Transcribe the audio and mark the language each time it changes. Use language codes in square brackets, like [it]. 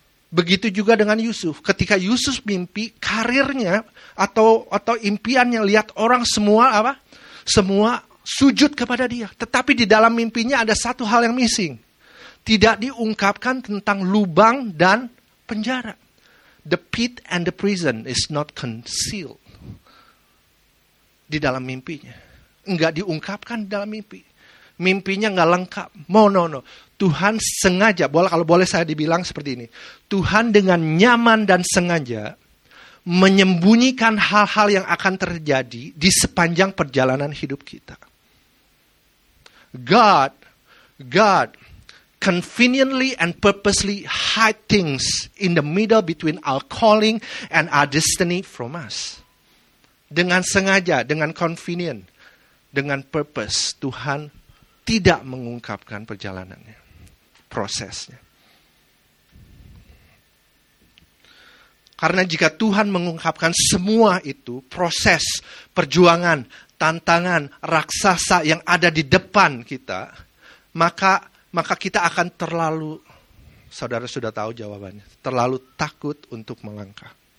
[id] Begitu juga dengan Yusuf. Ketika Yusuf mimpi karirnya atau impiannya lihat orang semua apa? Semua sujud kepada dia. Tetapi di dalam mimpinya ada satu hal yang missing. Tidak diungkapkan tentang lubang dan penjara. [en] The pit and the prison is not concealed. [id] Di dalam mimpinya. Enggak diungkapkan dalam mimpi. Mimpinya enggak lengkap. No. Tuhan sengaja, kalau boleh saya dibilang seperti ini. Tuhan dengan nyaman dan sengaja menyembunyikan hal-hal yang akan terjadi di sepanjang perjalanan hidup kita. [en] God conveniently and purposely hide things in the middle between our calling and our destiny from us. [id] Dengan sengaja, dengan convenient, dengan purpose, Tuhan tidak mengungkapkan perjalanannya, prosesnya. Karena jika Tuhan mengungkapkan semua itu, proses, perjuangan, tantangan, raksasa yang ada di depan kita, maka kita akan terlalu, saudara sudah tahu jawabannya, terlalu takut untuk melangkah.